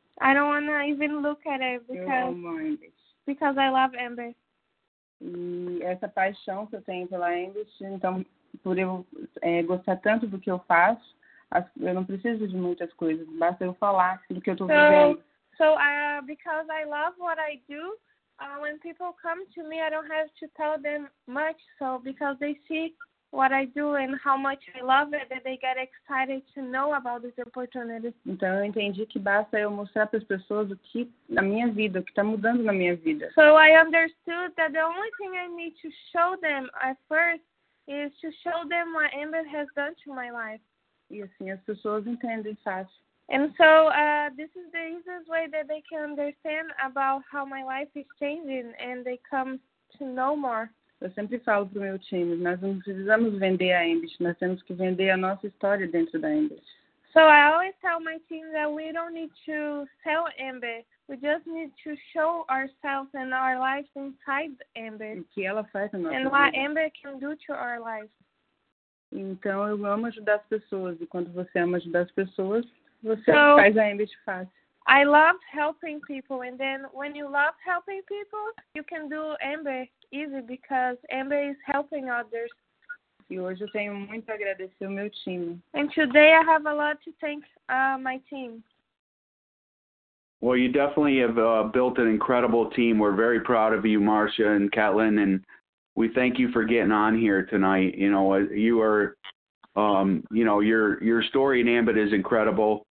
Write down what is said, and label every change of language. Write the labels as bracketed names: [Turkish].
[English] I don't want to even look at it because I love Embit. [Portuguese] E essa paixão que eu tenho pela Embit, então... Por eu gostar tanto do que eu faço, eu não preciso de muitas coisas, basta eu falar do que eu estou vivendo. [English] Because I love what I do, when people come to me, I don't have to tell them much, so because they see what I do and how much I love it, that they get excited to know about this opportunity. [Portuguese] Então eu entendi que basta eu mostrar para as pessoas o que na minha vida, o que está mudando na minha vida. [English] So I understood that the only thing I need to show them at first is to show them what Embit has done to my life. [Portuguese] E assim, as pessoas entendem fácil. [English] And so this is the easiest way that they can understand about how my life is changing and they come to know more. [Portuguese] Eu sempre falo para o meu time, nós não precisamos vender a Embit, nós temos que vender a nossa história dentro da Embit. [English] So I always tell my team that we don't need to sell Embit, we just need to show ourselves and our lives inside Embit. [Portuguese] O que ela faz na nossa [English] and [Portuguese] vida. [English] And what Embit can do to our lives. [Portuguese] Então eu amo ajudar as pessoas, e quando você ama ajudar as pessoas, você faz a Embit fácil. [English] I love helping people, and then when you love helping people, you can do Embit easy because Embit is helping others. [Portuguese] E hoje eu tenho muito a agradecer o meu time. [English] And today I have a lot to thank my team. Well, you definitely have built an incredible team. We're very proud of you, Marcia and Catelyn, and we thank you for getting on here tonight. You know, you are, you know, your story in Embit is incredible.